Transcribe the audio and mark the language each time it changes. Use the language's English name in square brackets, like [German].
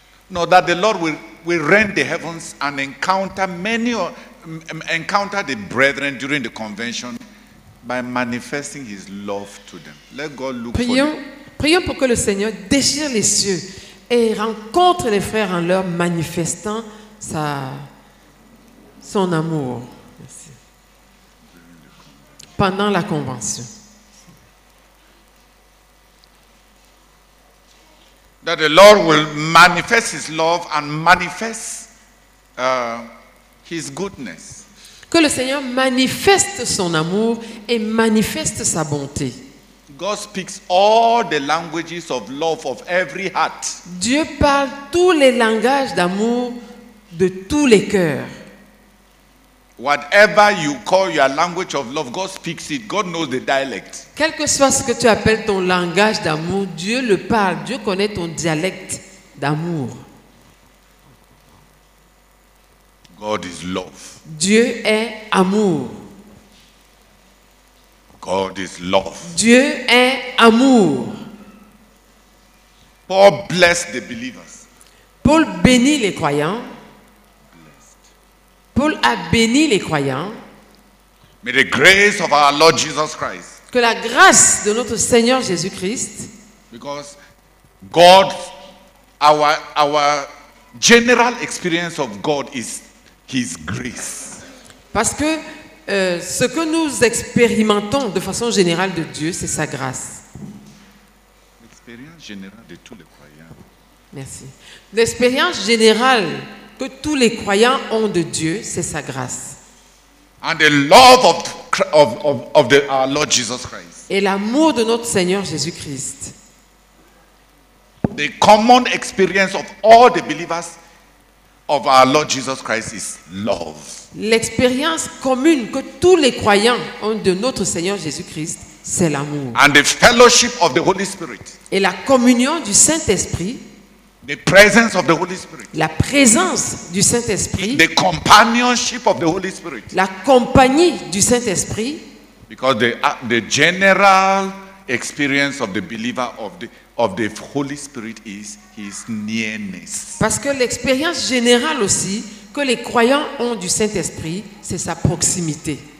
[English] No, that the Lord will rend the heavens and encounter the brethren during the convention by manifesting his love to them. Let God look [French] prions, [English] for them. [French] Prions pour que le Seigneur déchire les cieux et rencontre les frères en leur manifestant son amour. Merci. Pendant la convention. [English] That the Lord will manifest his love and manifest his goodness. [French] Que le Seigneur manifeste son amour et manifeste sa bonté. [English] God speaks all the languages of love of every heart. [French] Dieu parle tous les langages d'amour de tous les cœurs. [English] Whatever you call your language of love, God speaks it. God knows the dialect. [French] Quel que soit ce que tu appelles ton langage d'amour, Dieu le parle. Dieu connaît ton dialecte d'amour. [English] God is love. [French] Dieu est amour. [English] God is love. [French] Dieu est amour. [English] Paul blessed the believers. [French] Paul bénit les croyants. Paul a béni les croyants. [English] May the grace of our Lord Jesus Christ. [French] Que la grâce de notre Seigneur Jésus Christ. [English] Because God, our general experience of God is His grace. [French] Parce que ce que nous expérimentons de façon générale de Dieu, c'est sa grâce. L'expérience générale de tous les croyants. Merci. L'expérience générale que tous les croyants ont de Dieu, c'est sa grâce. [English] And the love of our Lord Jesus Christ. [French] Et l'amour de notre Seigneur Jésus Christ. [English] The common experience of all the believers of our Lord Jesus Christ is love. [French] L'expérience commune que tous les croyants ont de notre Seigneur Jésus Christ, c'est l'amour. [English] And the fellowship of the Holy Spirit. [French] Et la communion du Saint-Esprit. [English] The presence of the Holy Spirit. [French] La présence du Saint-Esprit. [English] The companionship of the Holy Spirit. [French] La compagnie du Saint-Esprit. [English] Because the general experience of the believer of the Holy Spirit is his nearness. [French] Parce que l'expérience générale aussi que les croyants ont du Saint-Esprit, c'est sa proximité.